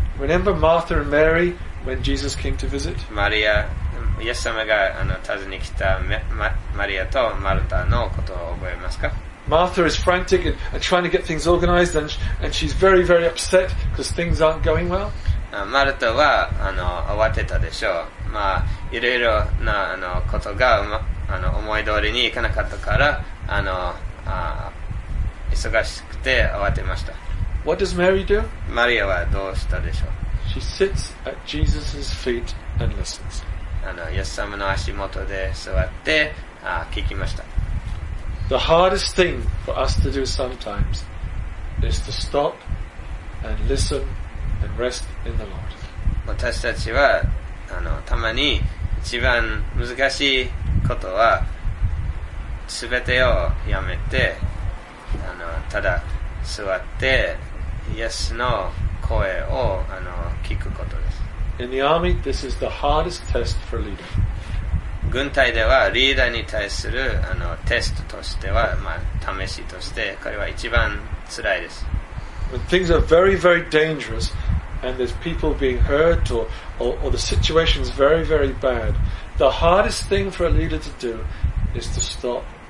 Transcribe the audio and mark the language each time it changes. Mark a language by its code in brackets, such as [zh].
[en] Remember Martha and Mary when Jesus came to visit? [ja] マリア、イエス様が訪ねに来たマリアとマルタのことを覚えますか? [en] Martha is frantic and trying to get things organized and she's very, very upset because things aren't going well. [ja] マルタは慌てたでしょう。まあ、いろいろなことが思い通りにいかなかったから忙しくて慌てました。 [en] What does Mary do? [ja] マリアはどうしたでしょう? [en] She sits at Jesus' feet and listens. [ja] イエス様の足元で座って聞きました。 [en] The hardest thing for us to do sometimes is to stop and listen and rest in the Lord. [ja] 私たちはたまに一番難しいことは全てをやめてただ座ってイエスの声を聞くことです。 [en] In the army, this is the hardest test for leader. [ja] 軍隊ではリーダーに対するテストとしては、まあ、試しとしてこれは一番つらいです。 [en] When things are very, very dangerous and there's people being hurt or the situation is very, very bad, the hardest thing for a leader to do is to stop.